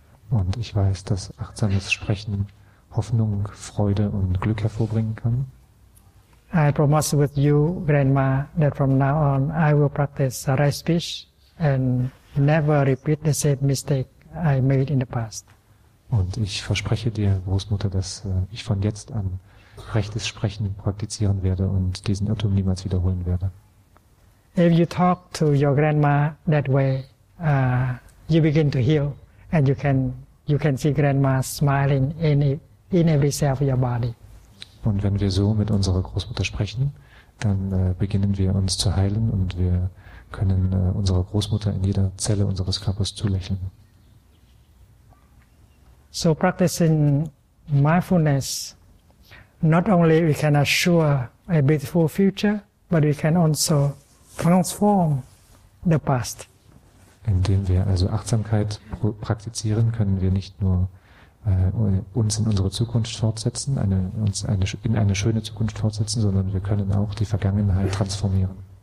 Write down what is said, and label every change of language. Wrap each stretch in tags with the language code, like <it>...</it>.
<de>Und ich weiß, dass achtsames Sprechen Hoffnung, Freude und Glück hervorbringen kann.</de> <en>I promise with you, Grandma, that from now on I will practice right speech and never repeat the same mistake I made in the past.</en> <de>Und ich verspreche dir, Großmutter, dass ich von jetzt an rechtes Sprechen praktizieren werde und diesen Irrtum niemals wiederholen werde.</de> <en>If you talk to your grandma that way, you begin to heal and you can see Grandma smiling in every cell of your body.</en> <de>Und wenn wir so mit unserer Großmutter sprechen, dann beginnen wir uns zu heilen und wir können unserer Großmutter in jeder Zelle unseres Körpers zulächeln.</de> <en>So practicing mindfulness, not only we can assure a beautiful future, but we can also transform the past.</en> <de>Indem wir also Achtsamkeit praktizieren, können wir nicht nur uns in unsere Zukunft fortsetzen, in eine schöne Zukunft fortsetzen, sondern wir können auch die Vergangenheit transformieren.</de>